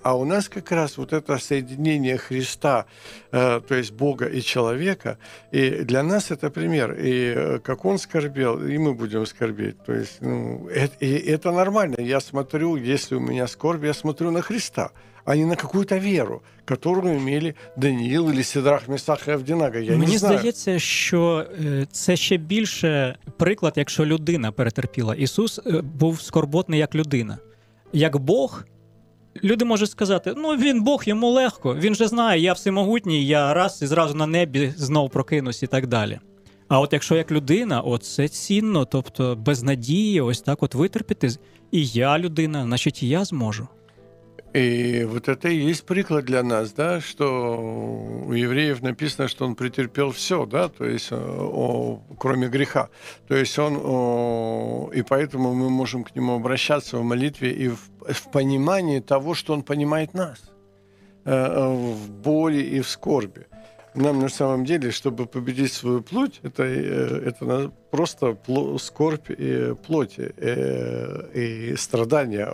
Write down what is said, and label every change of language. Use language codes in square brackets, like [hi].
[ru] А у нас как раз вот это соединение Христа, то есть Бога и человека, и для нас это пример. И как он скорбел, и мы будем скорбеть. То есть, ну, это нормально. Я смотрю, если у меня скорбь, я смотрю на Христа, а не на какую-то веру, которую имели Даниил или Сидрах, Месах и Авдинаго. Я мне не знаю. [uk] Здається, що це ще більше приклад, якщо людина перетерпіла. Ісус був скорботний як людина. Як Бог... Люди можуть сказати, ну він Бог, йому легко, він же знає, я всемогутній, я раз і зразу на небі знову прокинусь і так далі. А от якщо як людина, оце цінно, тобто без надії ось так от витерпіти, і я людина, значить і я зможу. І от це і є приклад для нас, да? Що у євреїв написано, що він претерпів все, да? Тобто, крім гріха. Тобто, і тому ми можемо до нього обращатися в молитві і в [ru] понимании того, что Он понимает нас в боли и в скорби. Нам на самом деле, чтобы победить свою плоть, это просто скорбь и плоть, и страдания.